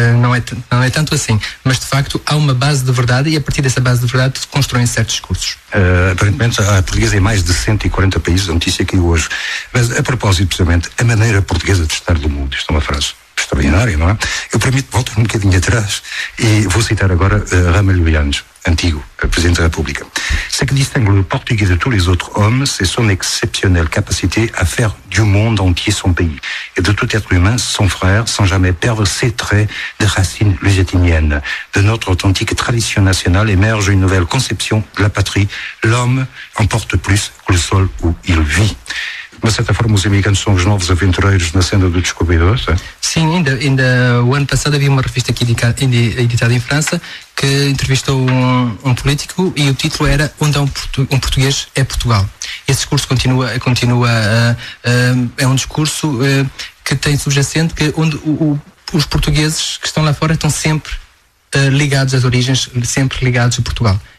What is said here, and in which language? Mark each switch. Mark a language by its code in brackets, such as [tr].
[pt] Não é tanto assim. Mas, de facto, há uma base de verdade e, a partir dessa base de verdade, se constroem certos discursos. Aparentemente, a portuguesa é mais de 140 países, a notícia que eu hoje. Mas, a propósito, precisamente, a maneira portuguesa de estar do mundo. Isto é uma frase extraordinária, não é? Eu permito, volto um bocadinho atrás e vou citar agora Ramalho Eanes, antigo Presidente da República. [fr] Ce qui distingue le portugais de tous les autres hommes, c'est son exceptionnelle capacité à faire du monde entier son pays. Et de tout être humain, son frère, sans jamais perdre ses traits de racines lusitaniennes. De notre authentique tradition nationale émerge une nouvelle conception de la patrie. L'homme en porte plus que le sol où il vit. [pt] De certa forma, os imigrantes são os novos aventureiros na senda do descobridor, sim? Sim, ainda o ano passado havia uma revista aqui editada em França que entrevistou um político e o título era Onde há um português é Portugal. Esse discurso continua é um discurso que tem subjacente que onde os portugueses que estão lá fora estão sempre ligados às origens, sempre ligados a Portugal.